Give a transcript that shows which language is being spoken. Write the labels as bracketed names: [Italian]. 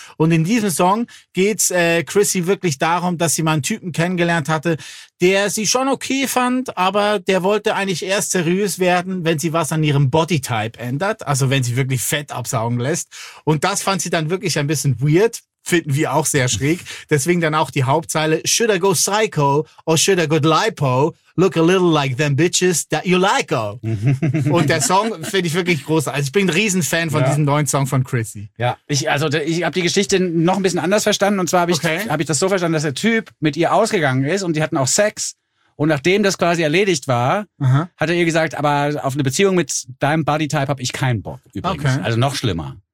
[German] Und in diesem Song geht's Chrissy wirklich darum, dass sie mal einen Typen kennengelernt hatte, der sie schon okay fand, aber der wollte eigentlich erst seriös werden, wenn sie was an ihrem Bodytype ändert, also wenn sie wirklich Fett absaugen lässt. Und das fand sie dann wirklich ein bisschen weird. Finden wir auch sehr schräg. Deswegen dann auch die Hauptzeile. [English] Should I go psycho or should I go lipo? Look a little like them bitches that you like, oh. [German] Und der Song finde ich wirklich großartig. Also ich bin ein Riesenfan von diesem neuen Song von Chrissy. Ja, ich habe die Geschichte noch ein bisschen anders verstanden. Und zwar habe ich das so verstanden, dass der Typ mit ihr ausgegangen ist und die hatten auch Sex. Und nachdem das quasi erledigt war, hat er ihr gesagt, aber auf eine Beziehung mit deinem Bodytype habe ich keinen Bock übrigens. Okay. Also noch schlimmer.